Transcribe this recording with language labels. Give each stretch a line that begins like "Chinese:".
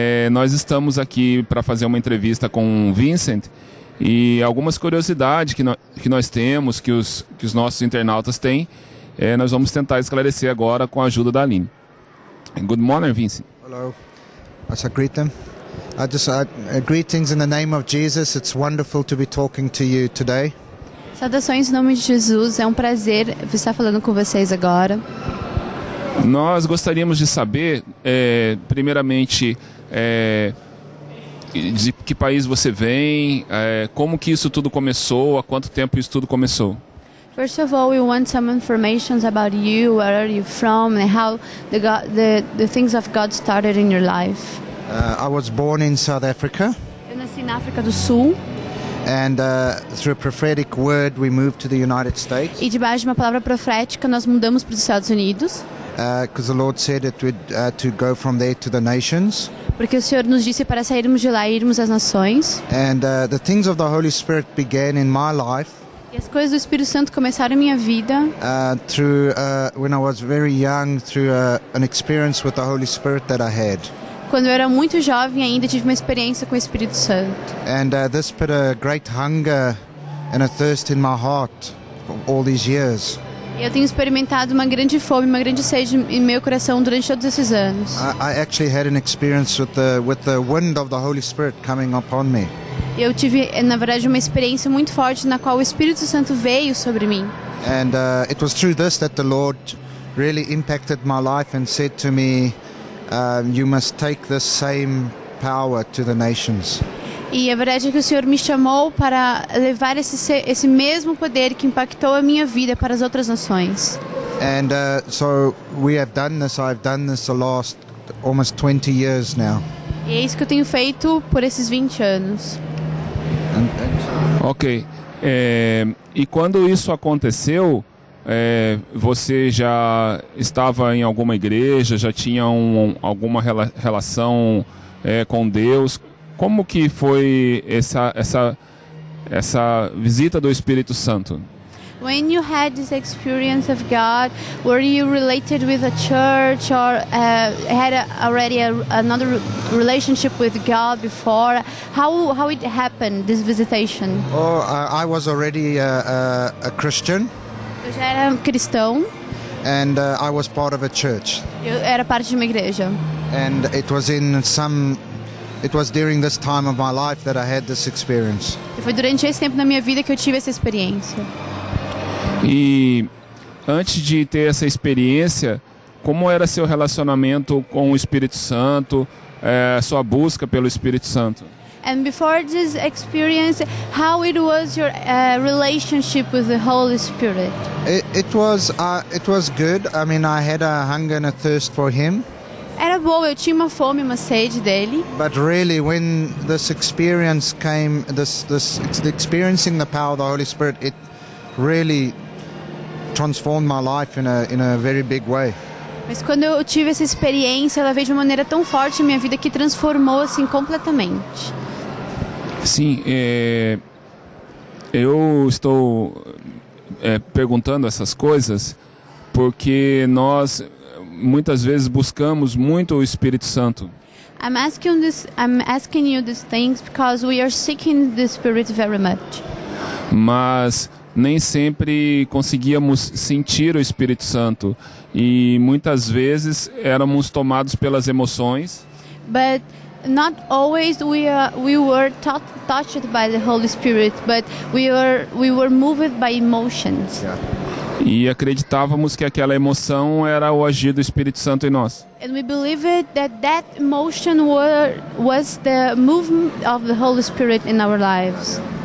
Portuguese: Nós estamos aqui para fazer uma entrevista com o Vincent e algumas curiosidades que nós temos, que os nossos internautas têm, nós vamos tentar esclarecer agora com a ajuda da Aline.
English: Good morning, Vincent. Hello. I shall greet them. I just greetings in the name of Jesus. It's wonderful to be talking to you today.
Portuguese: Saudações em nome de Jesus. É um prazer estar falando com vocês agora. Nós gostaríamos de saber, primeiramente, de que país você vem, como que isso tudo começou, há quanto tempo isso tudo começou.
English: First of all, we want some information about you, where are you from, and how the things of God started in your life. I was born in South Africa.
Portuguese: Eu nasci na África do Sul.
English: And through a prophetic word, we moved to the United States.
Portuguese: E debaixo de uma palavra profética, nós mudamos para os Estados Unidos.
English: Because the Lord said it would to go from there to the nations.
Portuguese: Porque o Senhor nos disse para sairmos de lá e irmos às nações.
English: And the things of the Holy Spirit began in my life.
Portuguese: E as coisas do Espírito Santo começaram em minha vida.
English: When I was very young, through an experience with the Holy Spirit that I had.
Portuguese: Quando eu era muito jovem ainda tive uma experiência com o Espírito Santo.
English: And this put a great hunger and a thirst in my heart all these years.
Portuguese: Eu tenho experimentado uma grande fome, uma grande sede em meu coração durante todos esses anos.
English: I actually had an experience with the wind of the Holy Spirit coming upon me.
Portuguese: Eu tive, na verdade, uma experiência muito forte na qual o Espírito Santo veio sobre mim.
English: And it was through this that the Lord really impacted my life and said to me, you must take the same power to the nations.
Portuguese: E a verdade é que o Senhor me chamou para levar esse mesmo poder que impactou a minha vida para as outras nações.
English: And so we have done this. I've done this the last almost 20 years now.
Portuguese: E é isso que eu tenho feito por esses 20 anos. Ok. E quando isso aconteceu, você já estava em alguma igreja, já tinha alguma relação com Deus? Como que foi essa visita do Espírito Santo?
English: When you had this experience of God, were you related with a church or had already another relationship with God before? How it happened, this visitation? Oh, I was already a Christian.
Portuguese: Eu já era cristão.
English: And I was part of a church.
Portuguese: Eu era parte de uma igreja.
English: And it was during this time of my life that I had this experience.
Portuguese: E foi durante esse tempo na minha vida que eu tive essa experiência. E antes de ter essa experiência, como era seu relacionamento com o Espírito Santo, sua busca pelo Espírito Santo?
English: And before this experience, how it was your relationship with the Holy Spirit? It was good. I mean, I had a hunger and a thirst for him.
Portuguese: Era bom, eu tinha uma fome, uma sede dele.
English: But really, when this experience came, this experiencing the power of the Holy Spirit, it really transformed my life in a very big way.
Portuguese: Mas quando eu tive essa experiência, ela veio de uma maneira tão forte na minha vida que transformou assim completamente. Sim, eu estou perguntando essas coisas porque nós muitas vezes buscamos muito o Espírito Santo.
English: I'm asking you these things because we are seeking the Spirit very much.
Portuguese: Mas nem sempre conseguíamos sentir o Espírito Santo e muitas vezes éramos tomados pelas emoções.
English: But not always we were touched by the Holy Spirit, but we were moved by emotions.
Portuguese: Yeah. E acreditávamos que aquela emoção era o agir do Espírito Santo em nós.
English: And we believed that emotion was the movement of the Holy Spirit in our lives.